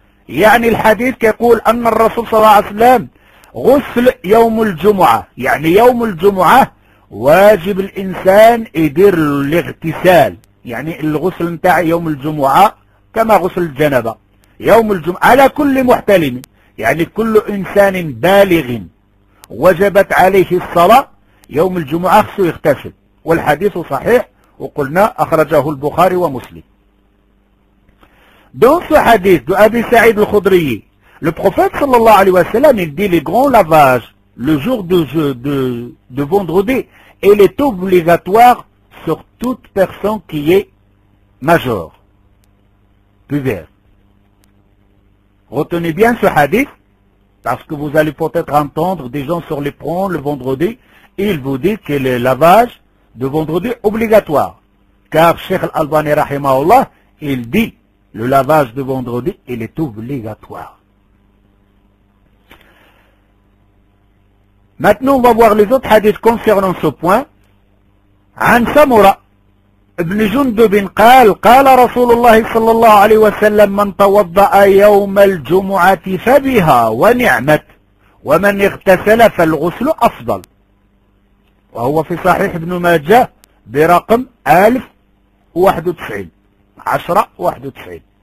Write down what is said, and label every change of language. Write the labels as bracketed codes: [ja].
[ar] يعني الحديث يقول أن الرسول صلى الله عليه وسلم غسل يوم الجمعة، يعني يوم الجمعة واجب الإنسان يدير الاغتسال، يعني الغسل نتاع يوم الجمعة كما غسل الجنابة يوم الجمعة على كل محتلم، يعني كل إنسان بالغ وجبت عليه الصلاة يوم الجمعة خصو يغتسل. والحديث صحيح وقلنا أخرجه البخاري ومسلم. [fr] دون سو حديث دو أبي سعيد الخضري le prophète صلى الله عليه وسلم il dit les grands lavages le jour de vendredi il est obligatoire sur toute personne qui est majeure, puvère. Retenez bien ce hadith, parce que vous allez peut-être entendre des gens sur les ponts le vendredi, et ils vous disent que le lavage de vendredi est obligatoire. Car Cheikh Al-Albani, rahimahullah, il dit, Le lavage de vendredi, il est obligatoire. Maintenant, on va voir les autres hadiths concernant ce point. [ar] An Samura ibn Jundub قال قال رسول الله صلى الله عليه وسلم من توضأ يوم الجمعة فبها ونعمت ومن اغتسل فالغسل أفضل وهو في صحيح ابن ماجه برقم 1091 1091.